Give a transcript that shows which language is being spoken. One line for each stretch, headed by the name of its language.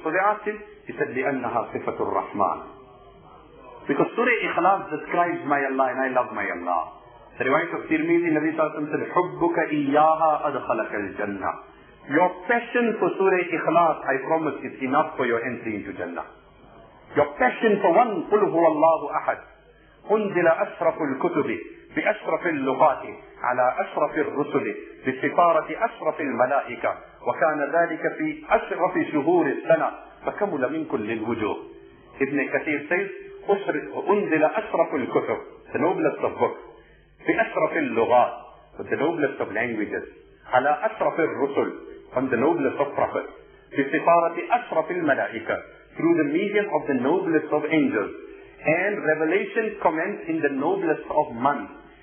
English: So they asked him, he said,
Arabic: لِأَنَّهَا صِفَةُ الرَّحْمَانِ.
English: Because Surah Ikhlas describes my Allah and I love my Allah. The riwayat of Tirmidhi, Nabi sallallahu alayhi said,
Arabic: حُبُّكَ إِيَّاهَا أَدْخَلَكَ الْجَنَّةِ.
English: Your passion for Surah Ikhlas, I promise, is enough for your entry into Jannah. Your passion for one,
Arabic: قُلْ هُوَ اللَّهُ أَحَدٌ أُنْزِلَ أَشْرَفُ الْكُتُبِ بِأَشْرَفِ اللُّغَاتِ عَلَى أَشْرَفِ الرُّسُلِ بِسِفَارَةِ أَشْرَفِ الْمَلَائِكَةِ وَكَانَ ذَلِكَ فِي أَشْرَفِ شُهُورِ السَّنَةِ فَكَمُلَ مِنْ كُلِّ الْوُجُوهِ.
English: Ibn Kathir says,
Arabic: أُنْزِلَ أَشْرَفُ الْكُتُبِ,
English: the noblest of books,
Arabic: بِأَشْرَفِ اللُّغَاتِ,
English: the noblest of languages,
Arabic: عَلَى أَشْرَفِ الرُّسُلِ,
English: on the noblest of prophets,
Arabic: بِسِفَارَةِ أَشْرَفِ الْمَلَائِكَةِ,
English: through the medium of the noblest of angels, and revelation commenced in the noblest of months.